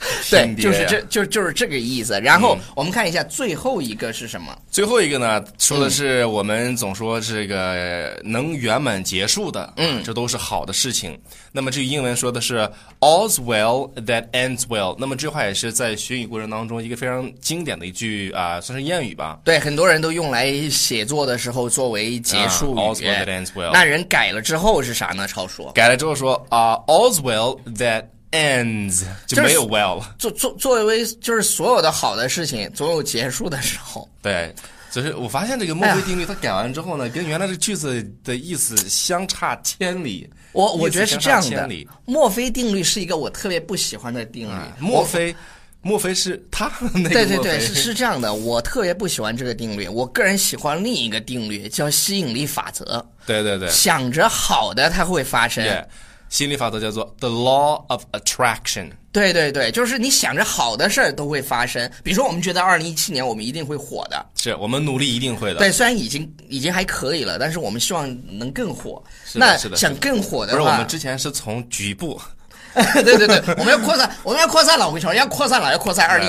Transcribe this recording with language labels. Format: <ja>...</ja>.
<zh>对，就是这就是这个意思。然后我们看一下最后一个是什么？最后一个呢，说的是我们总说这个能圆满结束的，嗯，这都是好的事情。那么这英文说的是</zh> <en>"All's well that ends well"。</en> <zh>那么这话也是在学习过程当中一个非常经典的一句啊，算是谚语吧。对，很多人都用来写作的时候作为结束语。</zh> <en>All's well that ends well。</en> <zh>那人改了之后是啥呢？超说改了之后说啊、</zh> <en>"All's well that"。</en> <zh>ends 就没有 well 了、就是、作为就是所有的好的事情总有结束的时候。对，就是我发现这个墨菲定律它改完之后呢、哎、跟原来的句子的意思相差千里。我觉得是这样的，墨菲定律是一个我特别不喜欢的定律、墨菲是他那个墨菲。对对对，是这样的，我特别不喜欢这个定律，我个人喜欢另一个定律叫吸引力法则。对对对，想着好的它会发生、 yeah. 吸引力法则叫做</zh> <en>The Law of Attraction。</en> <zh>对对对，就是你想着好的事都会发生。比如说我们觉得2017年我们一定会火的，是我们努力一定会的。对，虽然已经还可以了，但是我们希望能更火。是的，那想更火的话，不是我们之前是从局部对对对，我们要扩散，我们要扩散老回城，要扩散了，要扩散2017年。</zh>